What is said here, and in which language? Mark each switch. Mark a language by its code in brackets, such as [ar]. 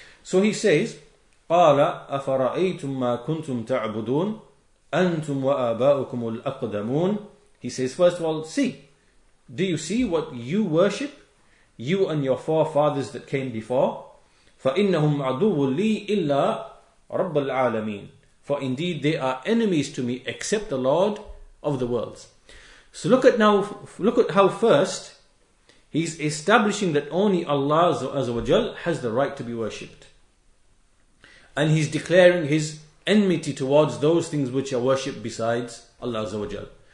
[en] So he says, [ar] قال أفرأيتم ما كنتم تعبدون أنتم وآباؤكم الأقدمون. [en] He says, first of all, see, do you see what you worship, you and your forefathers that came before? [ar] فإنهم عدو لي إلا رب العالمين. [en] For indeed they are enemies to me except the Lord of the worlds. So look at how first he's establishing that only Allah Azza wa Jal has the right to be worshipped. And he's declaring his enmity towards those things which are worshipped besides Allah Azza wa Jal.